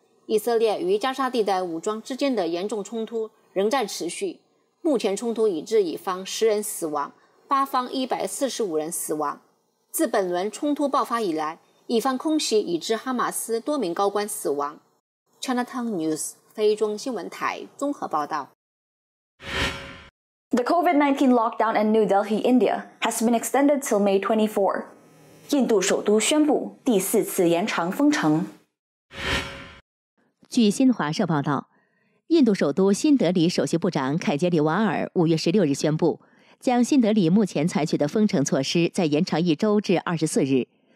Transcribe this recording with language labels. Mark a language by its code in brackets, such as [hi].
[zh] 以色列与加沙地带武装之间的严重冲突仍在持续，目前冲突已致以方10人死亡，巴方145人死亡。自本轮冲突爆发以来，以方空袭已致哈马斯多名高官死亡。 Chinatown News 非中新闻台综合报道。 [en] The COVID-19 lockdown in New Delhi, India has been extended till May 24. [zh] 印度首都宣布第四次延长封城。据新华社报道，印度首都新德里首席部长凯杰里瓦尔5月16日宣布，将新德里目前采取的封城措施再延长一周至24日。